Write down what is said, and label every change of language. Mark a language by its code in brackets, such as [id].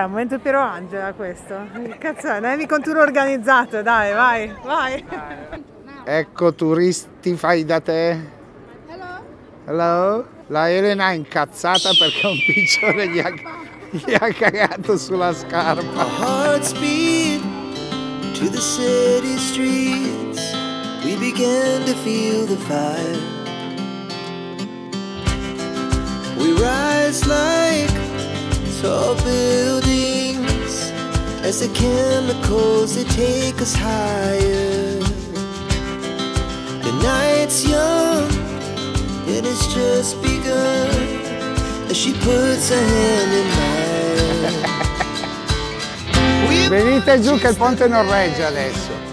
[it] È un momento Piero Angela questo? Cazzo, non è mica un tour organizzato, dai, vai, vai! Ecco, turisti, fai da te! [en] Hello? Hello? [it] La Elena è incazzata perché un piccione gli ha cagato sulla scarpa. [en] Our hearts beat to the city streets. We begin to feel the fire. We rise like tall buildings as the chemicals they take us higher. The night's young. It has just begun as she puts her hand in mine. [it] Venite giù che il ponte non regge adesso.